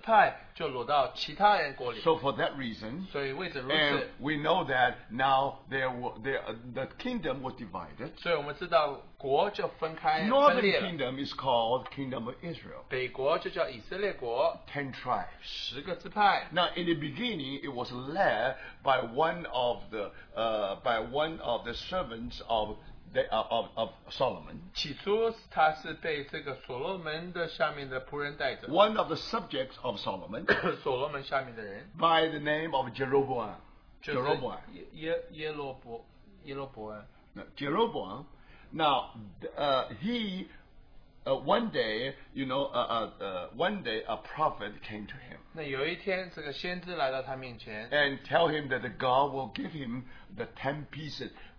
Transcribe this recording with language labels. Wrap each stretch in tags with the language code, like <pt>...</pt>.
<zh>所以神只有允许十个支派就落到其他人国里。</zh> <en>So for that reason,</en> <zh>所以为此如此,</zh> <en>and we know that now the kingdom was divided.</en> <zh>所以我们知道国就分开分裂了。</zh> <en>Northern kingdom is called Kingdom of Israel.</en> <zh>北国就叫以色列国。</zh> <en>10 tribes.</en> <zh>十个支派。</zh> <en>Now in the beginning, it was led by one of the servants of Solomon.</en> <zh>起初他是被这个所罗门的下面的仆人带着。</zh> <en>One of the subjects of Solomon.</en> <zh>所罗门下面的人。</zh> <en>By the name of Jeroboam.</en> <zh>Jeroboam. 耶罗伯安。</zh> <en>Jeroboam. Now, one day a prophet came to him.</en> <zh>那有一天这个先知来到他面前。</zh> <en>And tell him that God will give him the 10 pieces.</en>